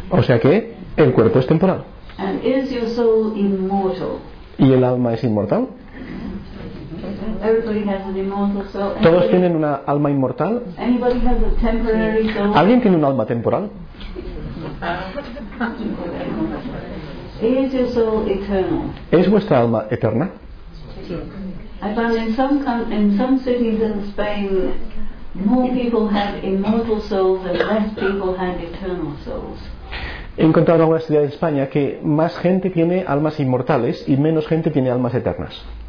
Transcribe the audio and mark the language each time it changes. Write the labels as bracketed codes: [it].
[es] O sea que el cuerpo es temporal. [en] And is your soul immortal? [es] ¿Y el alma es inmortal? [en] Everybody has an immortal soul. Anybody, [es] ¿todos tienen una alma inmortal? [en] Anybody has a temporary soul? [es] ¿Alguien tiene un alma temporal? [en] Is your soul eternal? [es] ¿Es vuestra alma eterna? [en] I found in some cities in Spain, more people had immortal souls and less people had eternal souls. [es] He encontrado en algunas ciudades de España que más gente tiene almas inmortales y menos gente tiene almas eternas.